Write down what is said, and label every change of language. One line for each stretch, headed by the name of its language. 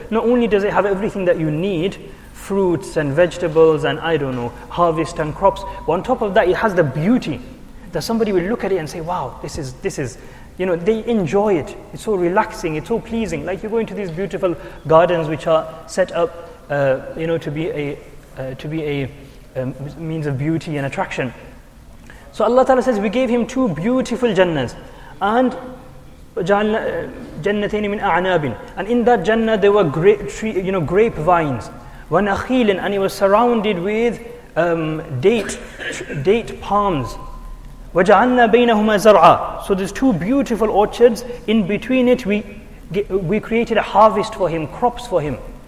English: Not only does it have everything that you need, fruits and vegetables and I don't know, harvest and crops, but on top of that it has the beauty that somebody will look at it and say, wow, this is, you know, they enjoy it. It's so relaxing, it's so pleasing. Like you go into these beautiful gardens which are set up, means of beauty and attraction. So Allah Ta'ala says, we gave him two beautiful jannas.
Arabic: And جَنَّتَيْنِ مِنْ أَعْنَابٍ.
English: And in that jannah there were grape vines.
Arabic: وَنَخِيلٍ.
English: And he was surrounded with date palms.
Arabic: وَجَعَلْنَا بَيْنَهُمَا زَرْعًا.
English: So there's two beautiful orchards. In between it we created a harvest for him, crops for him.